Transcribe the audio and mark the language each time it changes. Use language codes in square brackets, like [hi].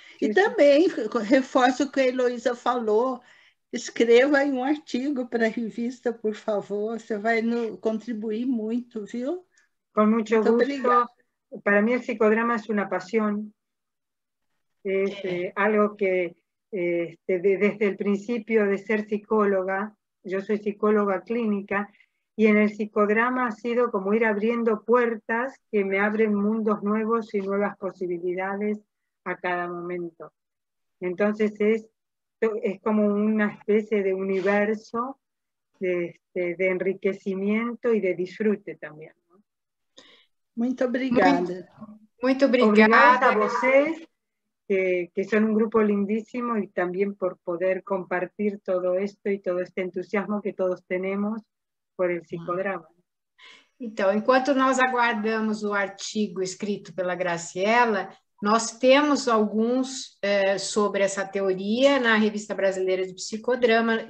[pt] E também, reforço o que a Heloísa falou, escreva aí um artigo para a revista, por favor. Você vai contribuir muito, viu? Com muito gusto. Obrigada. Para mim, o psicodrama é uma paixão. É algo que, desde o princípio de ser psicóloga, eu sou psicóloga clínica, [es] y en el psicodrama ha sido como ir abriendo puertas que me abren mundos nuevos y nuevas posibilidades a cada momento. Entonces es como una especie de universo de enriquecimiento y de disfrute también, ¿no? [pt] Muito obrigada. Muito obrigada. Obrigada a vocês, que são um grupo lindíssimo, e também por poder compartilhar todo isto e todo este entusiasmo que todos temos [es] por el psicodrama. [pt] Então, enquanto nós aguardamos o artigo escrito pela Graciela, nós temos alguns sobre essa teoria na Revista Brasileira de Psicodrama.